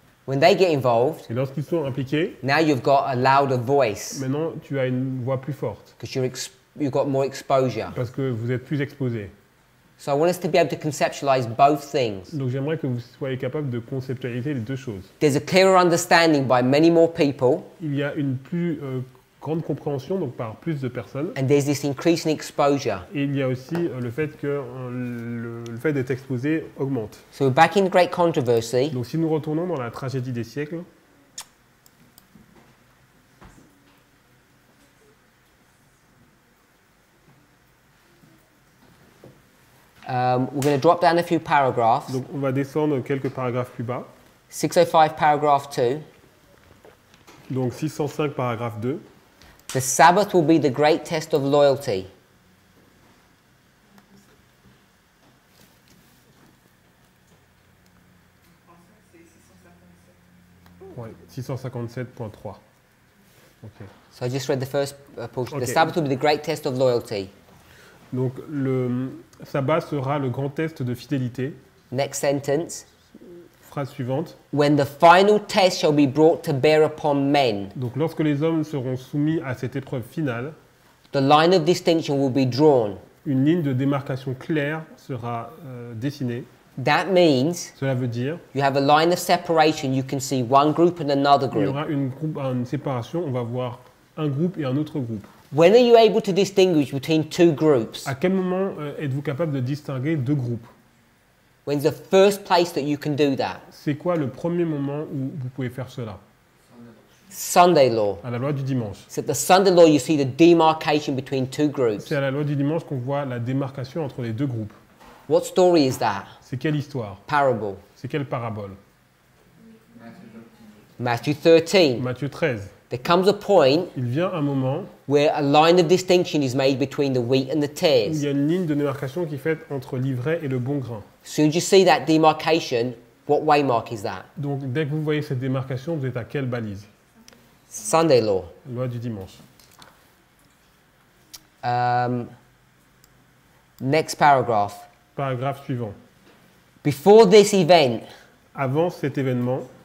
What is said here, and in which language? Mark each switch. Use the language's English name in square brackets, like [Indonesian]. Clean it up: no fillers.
[English] When they get involved, [French] et lorsqu'ils sont impliqués, [English] now you've got a louder voice. [French] Maintenant, tu as une voix plus forte. [English] Because you've got more exposure. [French] Parce que vous êtes plus exposé. [English] So I want us to be able to conceptualize both things. [French] Donc j'aimerais que vous soyez capable de conceptualiser les deux choses. [English] There's a clearer understanding by many more people. [French] Il y a une plus grande compréhension donc par plus de personnes. [English] And there's this increasing exposure. [French] Et il y a aussi le fait que le fait d'être exposé augmente. [English] So we're back in the great controversy. [French] Donc si nous retournons dans la tragédie des siècles. [English] We're going to drop down a few paragraphs. [French] Donc on va descendre quelques paragraphes plus bas. [English] 605 paragraph 2. [French] Donc 605 paragraphe 2. [English] The Sabbath will be the great test of loyalty. [French] Ouais, 657.3. Okay. [English] So I just read the first portion. Okay. The Sabbath will be the great test of loyalty. [French] Donc le sabbat sera le grand test de fidélité. [English] Next sentence. [French] Phrase suivante. [English] When the final test shall be brought to bear upon men. [French] Donc lorsque les hommes seront soumis à cette épreuve finale. [English] The line of distinction will be drawn. [French] Une ligne de démarcation claire sera dessinée. [English] That means. [French] Cela veut dire. [English] You have a line of separation. You can see one group and another group. [French] Il y aura une séparation. On va voir un groupe et un autre groupe. [English] When are you able to distinguish between two groups? [French] À quel moment êtes-vous capable de distinguer deux groupes? [English] When's the first place that you can do that? [French] C'est quoi le premier moment où vous pouvez faire cela? [English] Sunday law. [French] À la loi du dimanche. [English] So the Sunday law, you see the demarcation between two groups. [French] C'est à la loi du dimanche qu'on voit la démarcation entre les deux groupes. [English] What story is that? [French] C'est quelle histoire? [English] Parable. [French] C'est quelle parabole? [English] Matthew 13. [French] Matthieu 13. [English] There comes a point. [French] Il vient un moment. [English] Where a line of distinction is made between the wheat and the tares. [French] Il y a une ligne de démarcation qui est faite entre l'ivraie et le bon grain. [English] Soon as you see that demarcation, what waymark is that? [French] Donc dès que vous voyez cette démarcation, vous êtes à quelle balise? [English] Sunday law. [French] Loi du dimanche. [English] Next paragraph. [French] Paragraphe suivant. [English] Before this event. [French] Avant cet événement.